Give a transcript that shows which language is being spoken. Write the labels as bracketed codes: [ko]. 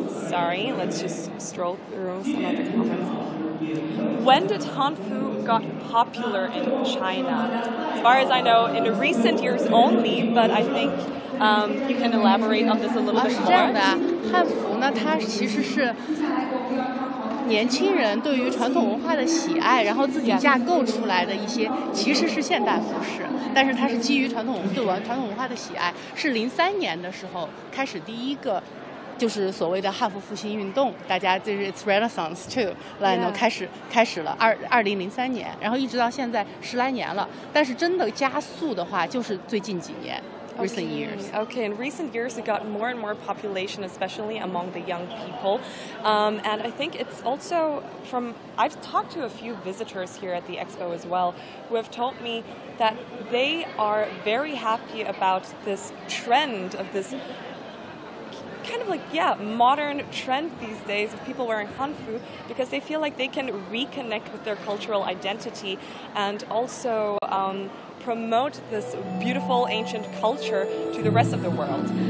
[en] Sorry, let's just stroll through some other comments. When did Hanfu got popular in China? As far as I know, in the recent years only, but I think you can elaborate on this a little bit more. [zh] 是这样的，汉服呢，它其实是 年轻人对于传统文化的喜爱，然后自己架构出来的一些，其实是现代服饰，但是它是基于传统对文传统文化的喜爱，是03年的时候开始第一个，就是所谓的汉服复兴运动，大家就是 [en] It's Renaissance too， [zh] 然后开始了2003年，然后一直到现在十来年了，但是真的加速的话就是最近几年。 [en] Okay, in recent years it got more and more population, especially among the young people. And I think it's also from, I've talked to a few visitors here at the expo as well, who have told me that they are very happy about this trend of this kind of like, yeah, modern trend these days of people wearing Hanfu, because they feel like they can reconnect with their cultural identity and also promote this beautiful ancient culture to the rest of the world.